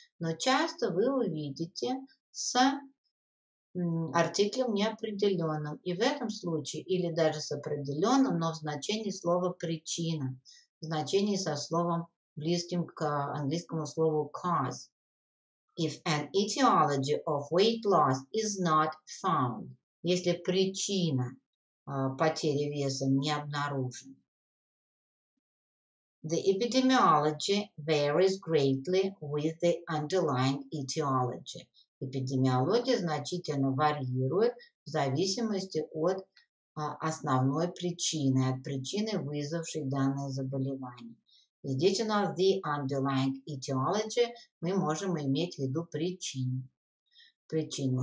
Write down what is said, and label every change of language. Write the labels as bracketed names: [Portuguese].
[Russian] Но часто вы увидите с артиклем неопределенным. И в этом случае, или даже с определенным, но в значении слова «причина». В значении со словом, близким к английскому слову cause. [English] If an etiology of weight loss is not found. [Russian] Если причина потери веса не обнаружена. [English] The epidemiology varies greatly with the underlying etiology. [Russian] Эпидемиология значительно варьирует в зависимости от основной причиной, от причины, вызвавшей данное заболевание. И здесь у нас [English] the underlying etiology, [Russian] мы можем иметь в виду причину. Причину.